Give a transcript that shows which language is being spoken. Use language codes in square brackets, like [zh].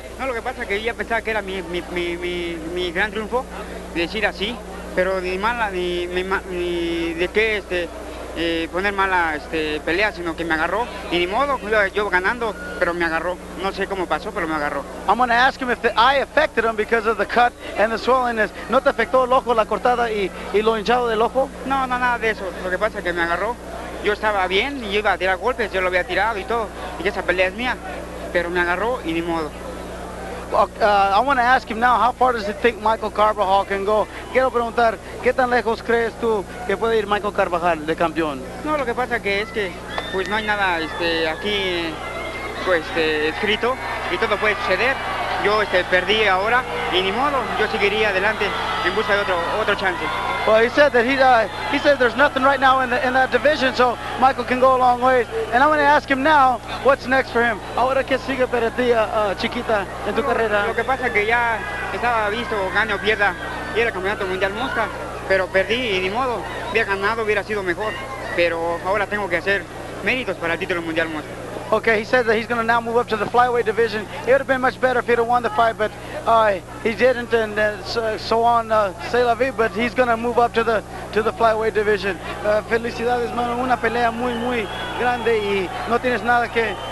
[es] No, lo que pasa es que ella pensaba que era mi gran triunfo, decir así. Pero ni mala ni de qué poner mala pelea, sino que me agarró y ni modo, yo ganando, pero me agarró, no sé cómo pasó, pero me agarró. [en] I'm gonna ask him if the eye affected him because of the cut and the swelling. [es] ¿No te afectó el ojo, la cortada y lo hinchado del ojo? No, nada de eso. Lo que pasa es que me agarró, yo estaba bien y yo iba a tirar golpes, yo lo había tirado y todo, y esa pelea es mía, pero me agarró y ni modo. [en] I want to ask him now, how far does he think Michael Carbajal can go? [es] Quiero preguntar, ¿qué tan lejos crees tú que puede ir Michael Carbajal de campeón? No, lo que pasa que es que pues no hay nada aquí pues escrito y todo puede suceder. Yo perdí ahora y ni modo, yo seguiría adelante en busca de otro chance. [en] Well, he said that he said there's nothing right now in that division, so Michael can go a long ways. And I'm going to ask him now, what's next for him? [es] Ahora qué sigue para ti, Chiquita, en tu carrera. Lo que pasa es que ya estaba visto gane o pierda, y era campeonato mundial mosca, pero perdí y ni modo. Había ganado, hubiera sido mejor, pero ahora tengo que hacer méritos para el título mundial mosca. [en] Okay, he said that he's going to now move up to the flyweight division. It would have been much better if he'd have won the fight, but he didn't, and c'est la vie, but he's going to move up to the flyweight division. [es] Felicidades, mano. Una pelea muy, muy grande y no tienes nada que...